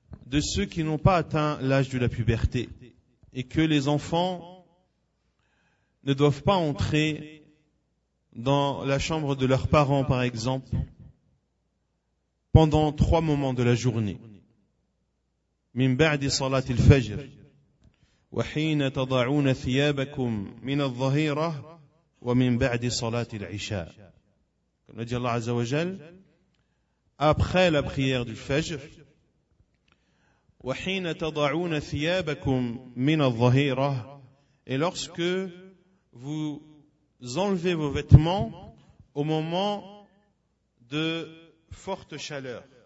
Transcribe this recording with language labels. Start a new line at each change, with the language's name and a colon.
French: de ceux qui n'ont pas atteint l'âge de la puberté et que les enfants ne doivent pas entrer dans la chambre de leurs parents, par exemple, pendant 3 moments de la journée.
Arabic: من بعد صلاة الفجر وحين تضعون ثيابكم من الظهيرة ومن بعد صلاة العشاء.
French: Comme dit Allah Azza wa Jal, après la prière du Fajr,
Arabic: وحين تضعون ثيابكم من الظهيرة,
French: et lorsque vous enlevez vos vêtements au moment de forte chaleur.